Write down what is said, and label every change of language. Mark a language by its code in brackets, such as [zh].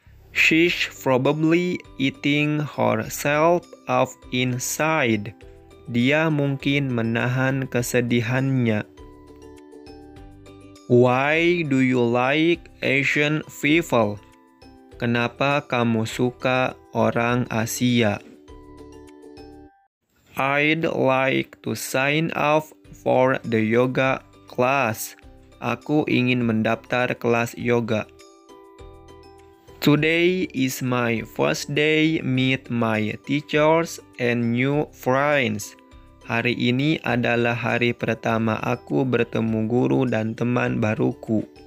[en] She's probably eating herself off inside. [id] Dia mungkin menahan kesedihannya. [en] Why do you like Asian people? [id] Kenapa kamu suka orang Asia? [en] I'd like to sign up for the yoga class. [id] Aku ingin mendaftar kelas yoga. [en] Today is my first day meet my teachers and new friends. [id] Hari ini adalah hari pertama aku bertemu guru dan teman baruku.